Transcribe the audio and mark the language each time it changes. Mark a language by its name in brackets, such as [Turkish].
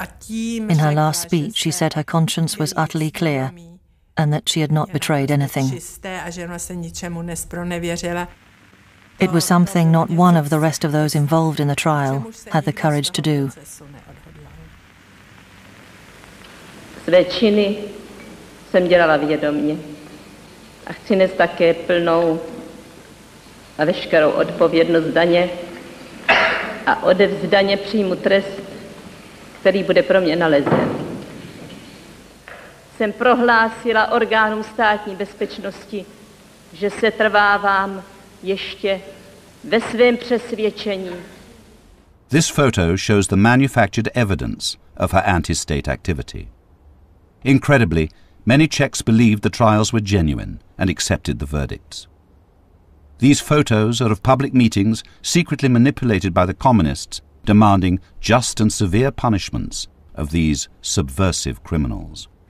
[English] In her last speech, she said her conscience was utterly clear and that she had not betrayed anything. It was something not one of the rest of those involved in the trial had the courage to do. [Czech] Své činy jsem dělala vědomě a chci nést také plnou a veškerou odpovědnost za ně a odevzdaně přijmu trest, který bude pro mě nalezen. Jsem prohlásila orgánům státní bezpečnosti, že se trvávám ještě ve svém přesvědčení. [English] This photo shows the manufactured evidence of her anti-state activity. Incredibly, many Czechs believed the trials were genuine and accepted the verdicts. These photos are of public meetings secretly manipulated by the communists, demanding just and severe punishments of these subversive criminals.